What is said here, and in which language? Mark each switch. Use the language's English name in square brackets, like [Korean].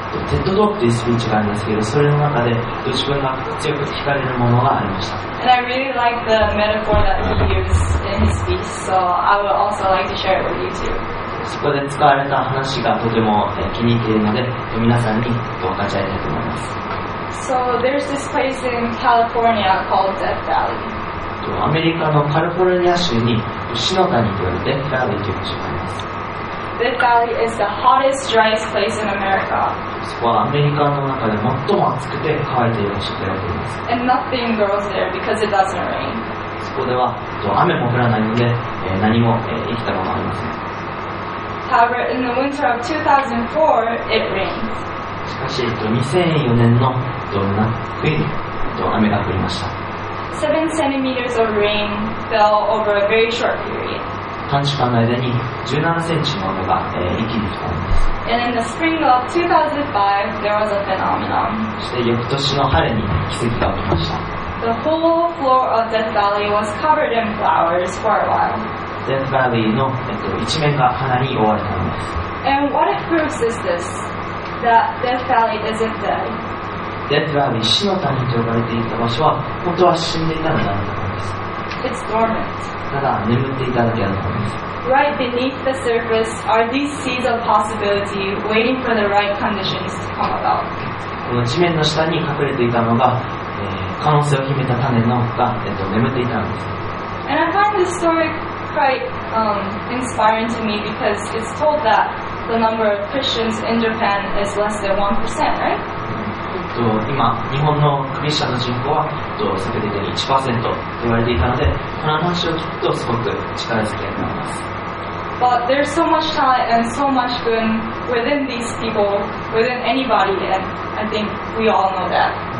[Japanese] テッドトークというスピーチがあるんですけど、それの中で自分が強く惹かれるものがありました。 [English] And I really like the metaphor that he used in his speech, so I would also like to share it with you too. [Japanese] そこで使われた話がとても気に入っているので、皆さんに分かち合いたいと思います。 [English] So there's this place in California called Death Valley. [Japanese] アメリカのカリフォルニア州に死の谷と呼ばれる Death Valley という場所があります。 [English] Death Valley is the hottest, driest place in America. [Japanese] そこはアメリカの中で最も暑くて乾いている場所であります。 [English] And nothing grows there because it doesn't rain. [Japanese] そこでは雨も降らないので何も生きたものはありません。 [English] However, in the winter of 2004, it rained. [Japanese] しかし、2004年のドナクイに雨が降りました。 [English] 7 centimeters of rain fell over a very short period. [Japanese] 短時間の間に17センチの雨が、一気に降ったんです。 [English] And in the spring of 2005, there was a phenomenon. [Japanese] そして翌年の春に奇跡が起きました。 [English] The whole floor of Death Valley was covered in flowers for a while. [Japanese] Death Valley の、一面が花に覆われたんです。 [English] And what it proves is this, that Death Valley isn't dead. [Japanese] デッドバーリー死の谷と呼ばれていた場所は本当は死んでいたのだったのです。 [English] It's dormant. [Japanese] ただ眠っていただけだったのです。 [English] Right beneath the surface are these seeds of possibility waiting for the right conditions to come about. [Japanese] この地面の下に隠れていたのが、可能性を秘めた種のが、眠っていたのです。 [English] And I find this story quite, inspiring to me because it's told that the number of Christians in Japan is less than 1%, right? [Japanese] 今日本のクリスチャンの人口は先ほど言ったように 1% と言われていたのでこの話を聞くとすごく力強くなります。 [English] But there's so much talent and so much good within these people, within anybody, and I think we all know that.